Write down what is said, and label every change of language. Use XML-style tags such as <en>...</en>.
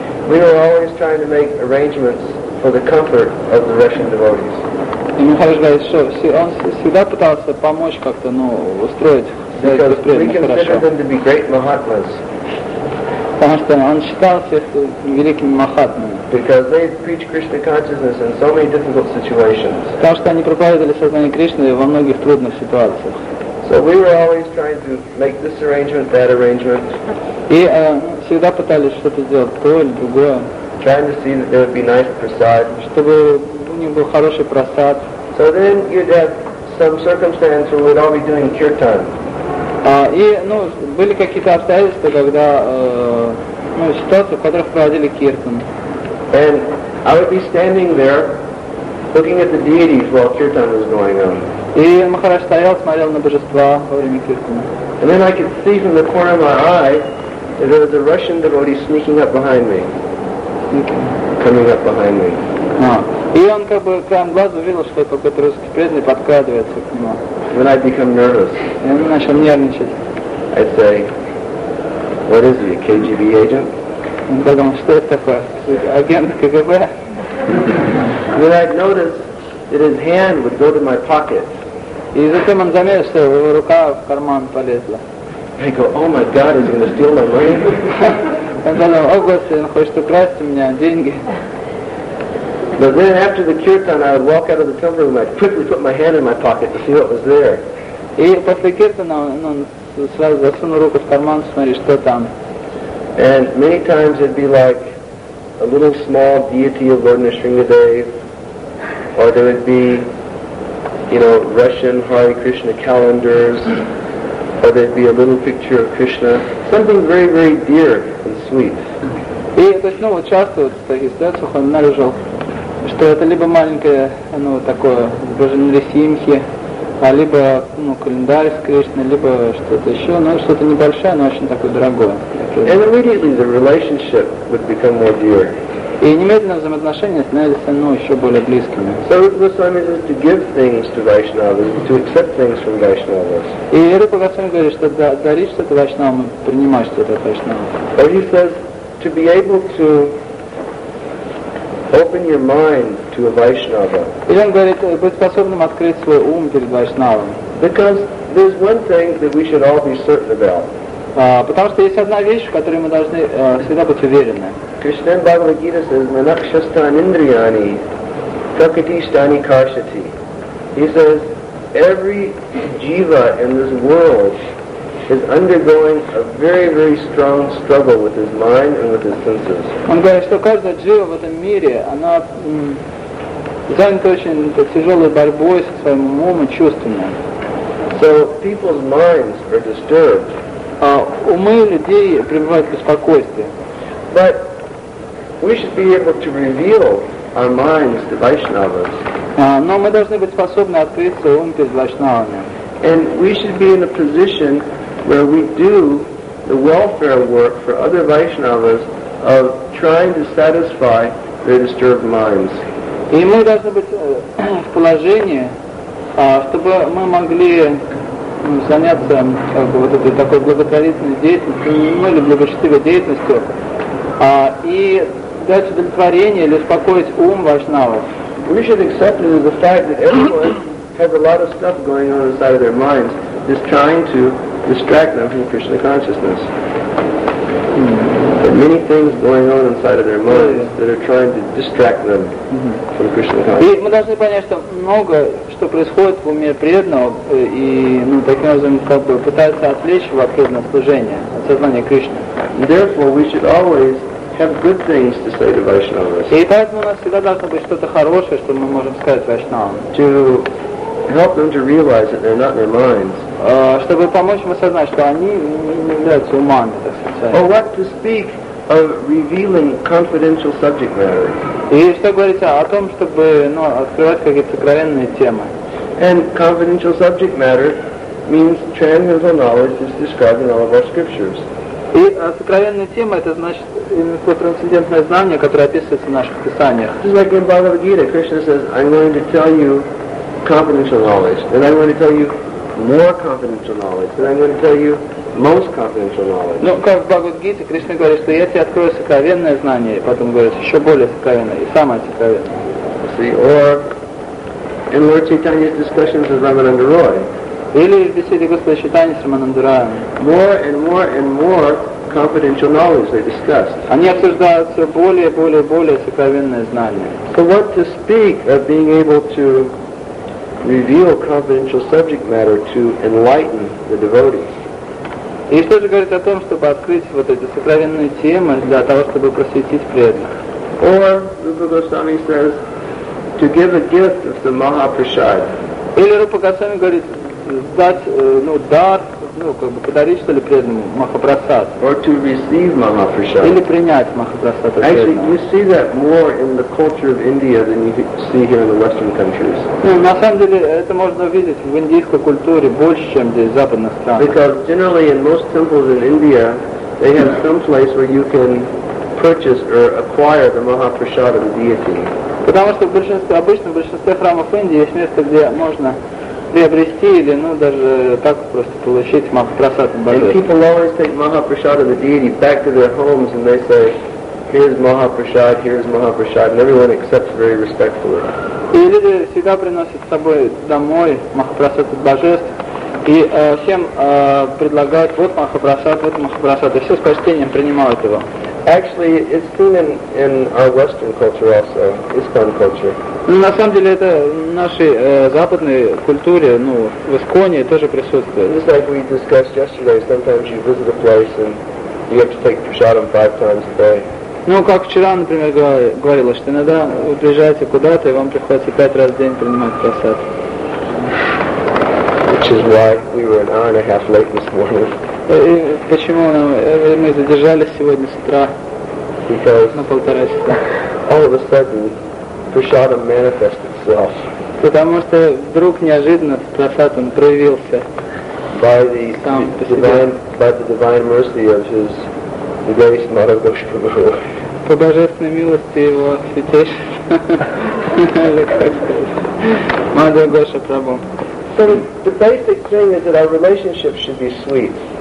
<en>We were always trying to make arrangements for the comfort of the Russian devotees.</en> <ru>И Махарадж говорит, что он всегда пытался помочь как-то, ну, устроить советских преданных хорошо.</ru> <en>Because we consider them to be great mahatmas.</en> <ru>Потому что он считал всех великими махатмами.</ru> <en>Because they preach Krishna consciousness in so many difficult situations.</en> <ru>Потому что они проповедовали сознание Кришны во многих трудных ситуациях.</ru> <en>So we were always trying to make this arrangement, that arrangement.</en> <ru>И всегда пытались что-то сделать, то или другое.</ru> <en>Trying to see that there would be nice prasad.</en> <ru>Чтобы у них был хороший просад.</ru> <en>So then you'd have some circumstance where we'd all be doing kirtan.</en> <ru>И, ну, были какие-то обстоятельства, когда, ну, ситуации, в которых проводили киртан.</ru> <en>And I would be standing there, looking at the deities while kirtan was going on.</en> <ru>И Махарадж стоял, смотрел на божества во время киртана.</ru> <en>And then I could see from the corner of my eye that there was a Russian devotee sneaking up behind me. Coming up behind me.</en> <ru>И он как бы краем глаза увидел, что какой-то русский преданный подкрадывается к нему.</ru> <en>Then I'd become nervous.</en> <ru>Я начал нервничать.</ru> <en>I'd say, what is he, a KGB agent?</en> <ru>Он подумал, что это такое? Агент КГБ?</ru> <en>Then I'd notice that his hand would go to my pocket.</en> <ru>И затем он заметил, что его рука в карман полезла.</ru> <en>I go, oh my God, is he going to steal my money?</en> <ru>Он подумал, о, Господи, он хочет украсть у меня деньги.</ru> <en>But then after the kirtan, I would walk out of the temple room, I'd quickly put my hand in my pocket to see what was there.</en> <ru>И после киртана он сразу засунул руку в карман, смотри, что там.</ru> <en>And many times it'd be like a little small deity of Lord Nrisimhadev, or there would be, you know, Russian Hare Krishna calendars, or there'd be a little picture of Krishna, something very, very dear and sweet.</en> <ru>И то есть, ну вот часто вот такие ситуации, он наряжал, что это либо маленькое, ну такое, божественное Нрисимхи, а либо ну календарь с Кришной, либо что-то еще, но что-то небольшое, но очень такое дорогое.</ru> <en>And immediately the relationship would become more dear.</en> <ru>И немедленно взаимоотношения становились, ну, еще более близкими.</ru> <en>So Goswami says to give things to Vaishnavas, to accept things from Vaishnavas.</en> <ru>И Рупа Госвами говорит, что дарить что-то Вайшнавам, принимать что-то от Вайшнавов.</ru> <en>But he says to be able to open your mind to a Vaishnava.</en> <ru>И он говорит, быть способным открыть свой ум перед Вайшнавом.</ru> <en>Because there's one thing that we should all be certain about.</en> <ru>Потому что есть одна вещь, в которой мы должны всегда быть уверены.</ru> <en>Krishna Bhagavad Gita says,</en> <sa>Manakshastan Indriyani Prakatishtani Karshati.</sa> <en>He says, every jiva in this world is undergoing a very, very strong struggle with his mind and with his senses.</en> <ru>Он говорит, что каждая джива в этом мире, она занята очень так, тяжелой борьбой со своим умом и чувствами.</ru> <en>So people's minds are disturbed.</en> <ru>Умы людей пребывают в беспокойстве.</ru> <en>But we should be able to reveal our minds to Vaishnavas.</en> <ru>Но мы должны быть способны открыть свой ум перед Вайшнавами.</ru> <en>And we should be in a position where we do the welfare work for other Vaishnavas of trying to satisfy their disturbed minds.</en> <ru>И мы должны быть в положении, чтобы мы могли заняться как бы, вот этой такой благотворительной деятельностью, ну или благочестивой деятельностью, и дать удовлетворение или успокоить ум Вайшнавов.</ru> <en>We should accept it as the fact that everyone has a lot of stuff going on inside of their minds that's trying to distract them from Krishna consciousness. There are many things going on inside of their minds that are trying to distract them from Krishna consciousness.</en> <ru>И мы должны понять, что много, что происходит в уме преданного, и ну, таким образом как бы пытаются отвлечь его от преданного служения, от сознания Кришны.</ru> <en>Therefore, we should always have good things to say to Vaishnavas.</en> <ru>И поэтому у нас всегда должно быть что-то хорошее, что мы можем сказать Вайшнавам.</ru> <en>To help them to realize that they're not in their minds.</en> <ru>Чтобы помочь им осознать, что они не являются умами, так сказать.</ru> <en>Or what to speak of revealing confidential subject matter.</en> <ru>И что говорится о том, чтобы ну, открывать какие-то сокровенные темы.</ru> <en>And confidential subject matter means transcendental knowledge is described in all of our scriptures.</en> <ru>И сокровенная тема — это значит именно то трансцендентное знание, которое описывается в наших писаниях.</ru> <en>Just like in Bhagavad Gita, Krishna says, I'm going to tell you confidential knowledge, and I'm going to tell you more confidential knowledge, and I'm going to tell you most confidential knowledge.</en> <ru>Ну, как в Bhagavad Gita, Krishna говорит, что я тебе открою сокровенное знание, и потом говорит, еще более сокровенное, и самое сокровенное.</ru> <en>See, or in Lord Chaitanya's discussions with Ramananda Roy.</en> <ru>Или в беседе Господа Чайтаньи с Рамананда Роем.</ru> <en>More and more and more confidential knowledge they discussed.</en> <ru>Они обсуждают все более и более, более сокровенное знание.</ru> <en>So what to speak of being able to reveal confidential subject matter to enlighten the devotees?</en> <ru>И что же говорить о том, чтобы открыть вот эти сокровенные темы для того, чтобы просветить преданных?</ru> <en>Or, Rupa Goswami says, to give a gift of the Mahaprasad.</en> <ru>Или Рупа Госвами говорит, дать, ну, дар, ну, как бы подарить, что ли, преданному Махапрасад.</ru> <en>Or to receive Mahaprasad.</en> <ru>Или принять Махапрасад от преданного.</ru> <en>Actually, you see that more in the culture of India than you see here in the Western countries.</en> <ru>Ну, на самом деле, это можно увидеть в индийской культуре больше, чем здесь, в западных странах.</ru> <en>Because generally in most temples in India, they have some place where you can purchase or acquire the Mahaprasad of the deity.</en> <ru>Потому что в большинстве, обычно в большинстве храмов Индии есть место, где можно приобрести или ну даже так просто получить Махапрасад Божий.</ru> <en>People always take Mahaprasad of the deity back to their homes and they say, here's Mahaprasad, here's Mahaprasad, and everyone accepts very respectfully.</en> <ru>И люди всегда приносят с собой домой Махапрасад Божеств и всем предлагают вот Махапрасад, вот Махапрасад, и все с почтением принимают его.</ru> <en>Actually, it's seen in our Western culture also, Iskcon culture.</en> <ru>Ну, на самом деле, это в нашей западной культуре, ну, в Исконе тоже присутствует.</ru> <en>Just like we discussed yesterday, sometimes you visit a place and you have to take prasadam 5 times a day.</en> <ru>Ну, как вчера, например, говорилось, что иногда вы приезжаете куда-то, и вам приходится 5 раз в день принимать прасад.</ru> <en>Which is why we were an hour and a half late this morning.</en> <ru>И почему мы задержались сегодня с утра на полтора часа?</ru> <en>All of a sudden, prasadam manifests itself.</en> <ru>Потому что вдруг неожиданно прасад он проявился.</ru> <en>By the divine mercy of his grace, Madhav Goswami.</en> <ru>По божественной милости его святейшества.</ru> <en>Madhav Goswami Prabhu. So the basic thing is that our relationship should be sweet.</en>